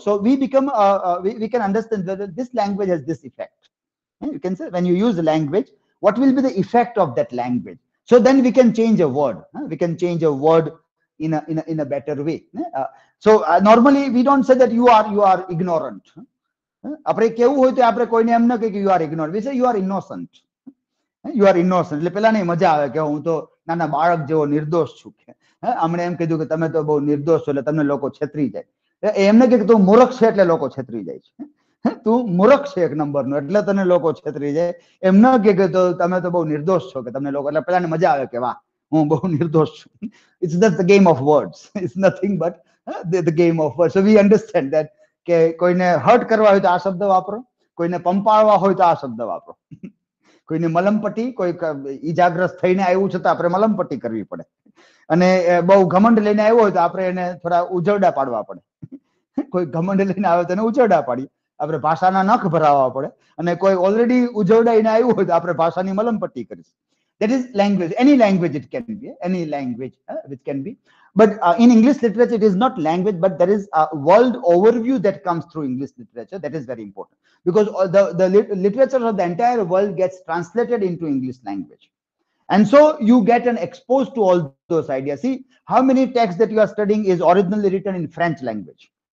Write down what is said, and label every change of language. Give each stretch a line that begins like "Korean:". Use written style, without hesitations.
English: So we become, we can understand whether this language has this effect. You can say, when you use language, what will be the effect of that language? So then we can change a word. We can change a word in a better way. So normally we don't say that you are ignorant.
Gujarati: આપણે કેવું હોય તો આપણે કોઈને એમ ના કહીએ કે
English: You are ignore, we say you are innocent. You are innocent
Gujarati: એટલે પેલા નહીં મજા આવે કે હું તો નાના બાળક જેવો નિર્દોષ છું, કે અમને એમ કીધું કે તમે તો બહુ નિર્દોષ છો એટલે તમને લોકો છેતરી જાય. એમ ના કહે કે તું મૂર્ખ છે એટલે લોકો છેતરી જાય છે, તું મૂર્ખ છે એક નંબરનો એટલે તને લોકો છેતરી જાય. એમ ના કહે કે તો તમે તો બહુ નિર્દોષ છો કે તમને લોકો, એટલે પેલાને મજા આવે કે વાહ હું બહુ નિર્દોષ છું.
English: It's just the game of words, it's nothing but the game of words. So we understand that,
Gujarati: કે કોઈને હર્ટ કરવા હોય તો આ શબ્દ વાપરો, કોઈને પંપાળવા હોય તો આ શબ્દ વાપરો, કોઈને મલમપટ્ટી, કોઈ ઈજાગ્રસ્ત થઈને આવ્યું છે તો આપણે મલમપટ્ટી કરવી પડે, અને બહુ ઘમંડ લઈને આવ્યો હોય તો આપણે એને થોડા ઉજરડા પાડવા પડે. કોઈ ઘમંડ લઈને આવ્યો તો એને ઉજરડા પાડી આપણે ભાષાના નખ ભરાવવા પડે, અને કોઈ ઓલરેડી ઉજરડાઈને આવ્યું હોય તો આપણે ભાષાની મલમપટ્ટી કરીશું.
English: That is language. Any language it can be. Any language which can be. But in English literature, it is not language, but there is a world overview that comes through English literature. That is very important. Because the literature of the entire world gets translated into English language. And so you get an exposed to all those ideas. See, how many texts that you are studying is originally written in French language?